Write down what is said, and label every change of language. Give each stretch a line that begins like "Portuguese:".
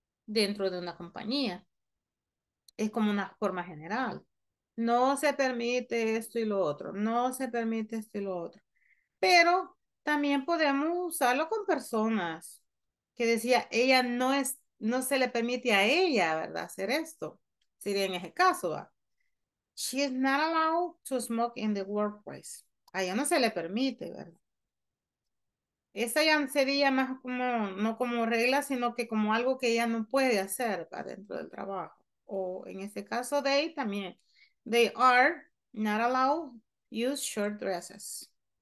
Spanish: Dentro de una compañía. Es como una forma general. No se permite esto y lo otro. No se permite esto y lo otro. Pero también podemos usarlo con personas que decía, ella no es, no se le permite a ella, ¿verdad? Hacer esto. Sería en ese caso, ¿va?
English: She is not allowed to smoke in the workplace.
Spanish: A ella no se le permite, ¿verdad? Esa ya sería más como, no como regla, sino que como algo que ella no puede hacer para dentro del trabajo. O en este caso, they también.
English: They are not allowed to use short dresses.